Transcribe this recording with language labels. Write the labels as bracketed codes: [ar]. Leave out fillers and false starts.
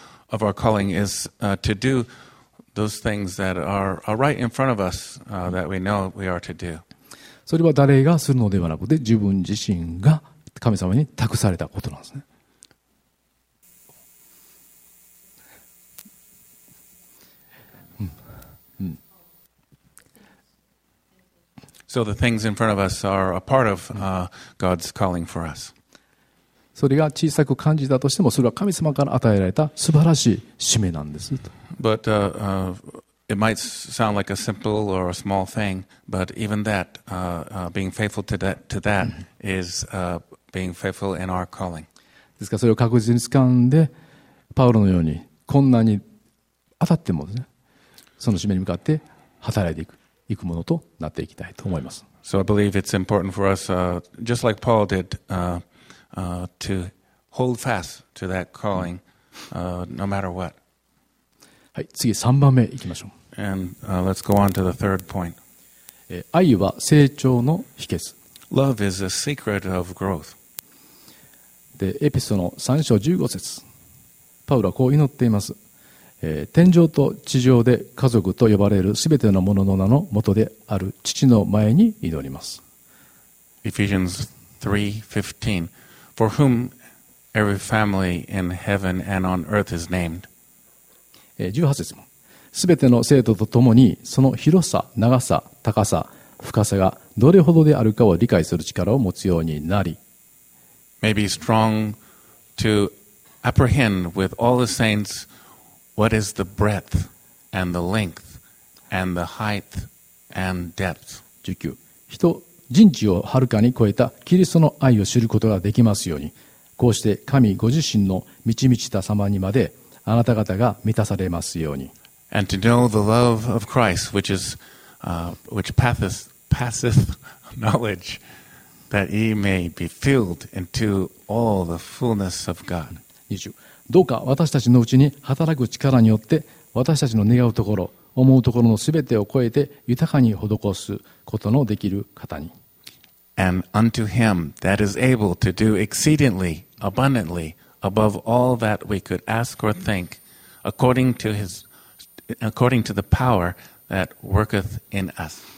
[en] Of our calling is to do those things that are right in front of us that we know we are to do. [ja] それは誰がするのではなくて自分自身が神様に託されたことなんですね。 [en] So the things in front of us are a part of God's calling for us. [ja] それが小さく感じたとしても、それは神様から与えられた素晴らしい使命なんです。 [en] But It might sound like a simple or a small thing, but even that, being faithful to that is being faithful in our calling. [ja] ですからそれを確実に掴んで、パウロのように困難に当たってもですね、その使命に向かって働いていく、いくものとなっていきたいと思います。 [en] So I believe it's important for us, just like Paul did, to hold fast to that calling, no matter what. [ja] はい、次3番目いきましょう。 [en] And, let's go on to the third point. [ja] 愛は成長の秘訣。 [en] Love is a secret of growth. [ja] で、エピソの3章15節。パウロはこう祈っています。天上と地上で家族と呼ばれるすべての者の名の元である父の前に祈ります。 [en] Ephesians 3:15 For whom every family in heaven and on earth is named. [ja] 18節も、すべての生徒とともにその広さ、長さ、高さ、深さがどれほどであるかを理解する力を持つようになり、 [en] Maybe strong to apprehend with all the saints what is the breadth and the length and the height and depth. [ja] 19、人知をはるかに超えたキリストの愛を知ることができますように、こうして神ご自身の満ち満ちた様にまで。あなた方が満たされますように。 [en] And to know the love of Christ, which is, which passeth knowledge, that ye may be filled into all the fullness of God. 20. [ja] どうか私たちのうちに働く力によって私たちの願うところ、思うところのすべてを超えて豊かに施すことのできる方に。 [en] And unto him that is able to do exceedingly abundantly. Above all that we could ask or think, according to the power that worketh in us.